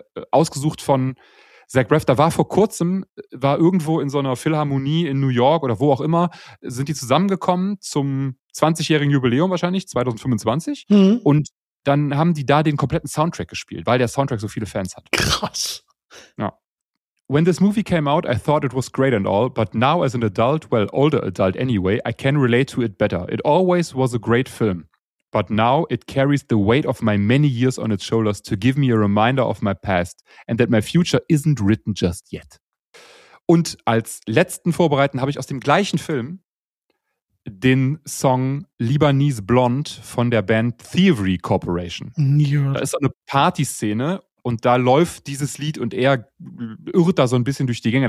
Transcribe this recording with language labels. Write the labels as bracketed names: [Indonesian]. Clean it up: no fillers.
[German] Ausgesucht von Zach Braff. Da war vor kurzem, war irgendwo in so einer Philharmonie in New York oder wo auch immer, sind die zusammengekommen zum 20-jährigen Jubiläum wahrscheinlich, 2025. Mhm. Und dann haben die da den kompletten Soundtrack gespielt, weil der Soundtrack so viele Fans hat. Krass. Ja. [English] When this movie came out, I thought it was great and all, but now as an adult, well, older adult anyway, I can relate to it better. It always was a great film, but now it carries the weight of my many years on its shoulders to give me a reminder of my past and that my future isn't written just yet. [German] Und als letzten Vorbereiten habe ich aus dem gleichen Film den Song Lebanese Blonde von der Band Thievery Corporation. Ja. Da ist so eine Partyszene und da läuft dieses Lied und er irrt da so ein bisschen durch die Gänge.